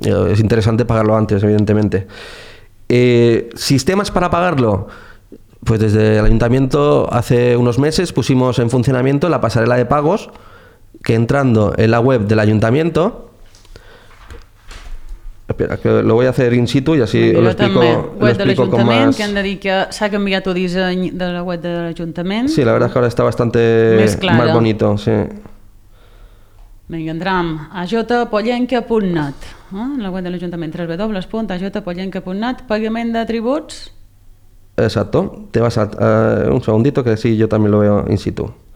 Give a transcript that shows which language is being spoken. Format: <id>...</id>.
<es>Es interesante pagarlo antes, evidentemente. ¿Sistemas para pagarlo? Pues desde el ayuntamiento hace unos meses pusimos en funcionamiento la pasarela de pagos, que entrando en la web del ayuntamiento, espera, que lo voy a hacer in situ y así lo explico, web lo explico con más...</es> <ca>Que han de dir que s'ha canviat el disseny de la web de l'Ajuntament.</ca> <es>Sí, la verdad es que ahora está bastante más bonito. Sí.</es> <ca>Vinga, entram a ajpollenca.net, en la web de l'Ajuntament, www.ajpollenca.net, pagament de tributs.</ca> <es>Exacto, te vas a... un segundito, que sí, yo también lo veo in situ.</es>